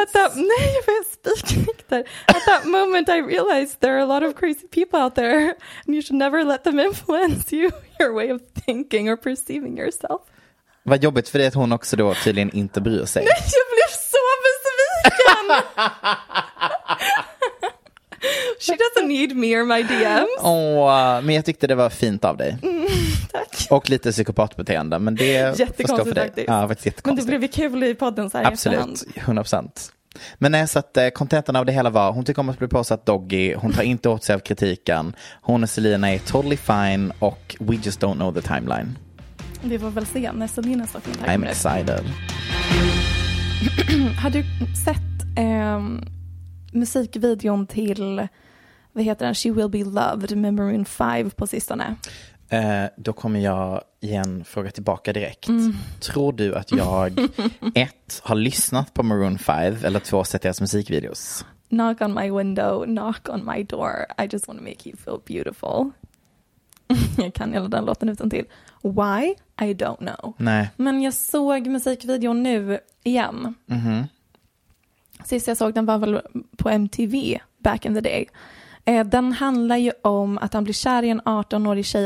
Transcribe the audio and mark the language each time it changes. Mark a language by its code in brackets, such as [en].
[en] At that moment I realized there are a lot of crazy people out there and you should never let them influence you, your way of thinking or perceiving yourself. [sv] Vad jobbigt för det att hon också då tydligen inte bryr sig. Nej, jag blev så besviken. [en] She doesn't need me or my DMs. [sv] Åh, men jag tyckte det var fint av dig. Tack. Och lite psykopatbeteende, men det förstår för dig. Jättekonstigt. Men det blev ju kul i podden så här. Absolut, 100%. Men när jag satt kontentan av det hela var, hon tycker om att bli påsatt doggy, hon tar inte åt sig av kritiken. Hon och Selina är [en] totally fine och we just don't know the timeline. [sv] Vi får väl se när Selina står kontakt. [en] I'm excited. [sv] Har du sett musikvideon till, vad heter den, She Will Be Loved med Maroon 5 på sistone? Då kommer jag igen fråga tillbaka direkt. Mm. Tror du att jag ett har lyssnat på Maroon 5 eller två sett deras musikvideos? [en] Knock on my window, knock on my door. I just want to make you feel beautiful. [sv] Jag kan hela den låten utan till. [en] Why? I don't know. [sv] Nej. Men jag såg musikvideon nu igen. Mm-hmm. Sist jag såg den var väl på MTV [en] back in the day. [sv] Den handlar ju om att han blir kär i en 18-årig tjej.